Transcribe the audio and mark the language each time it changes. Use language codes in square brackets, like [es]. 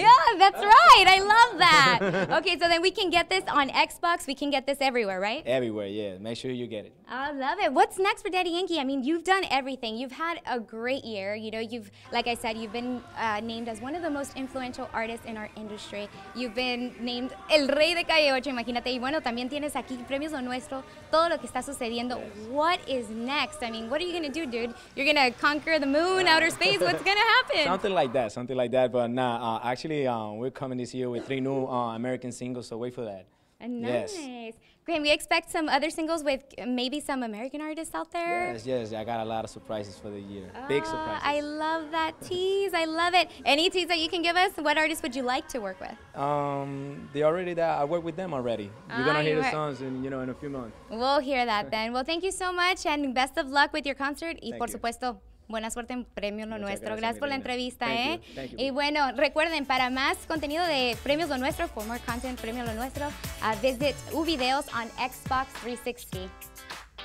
[en] Yeah, that's right. I love that. Okay, so then we can get this on Xbox. We can get this everywhere, right? Everywhere, yeah. Make sure you get it. I love it. What's next for Daddy Yankee? I mean, you've done everything. You've had a great year. You know, you've, like I said, you've been named as one of the most influential artists in our industry. You've been named El Rey de Calle 8. [es] Imagínate. Y bueno, también tienes aquí Premios Lo Nuestro. Todo lo que está sucediendo. [en] Yes. What is next? I mean, what are you going to do, dude? You're going to conquer the moon, outer space? What's going to happen? Something like that. But nah, actually, we're coming this year with 3 new American singles, so wait for that. Nice. Yes. Can we expect some other singles with maybe some American artists out there? Yes. I got a lot of surprises for the year. Big surprises. I love that tease. I love it. Any tease that you can give us? What artists would you like to work with? I work with them already. You're going to hear the songs in, you know, in a few months. We'll hear that then. Well, thank you so much and best of luck with your concert. Thank [es] y por [en] you. [es] Supuesto. Buena suerte en Premio Lo Nuestro. Gracias por la entrevista, [en] Thank you. [es] Y bueno, recuerden, para más contenido de Premios Lo Nuestro, [en] for more content, Premio Lo Nuestro, visit UVideos on Xbox 360.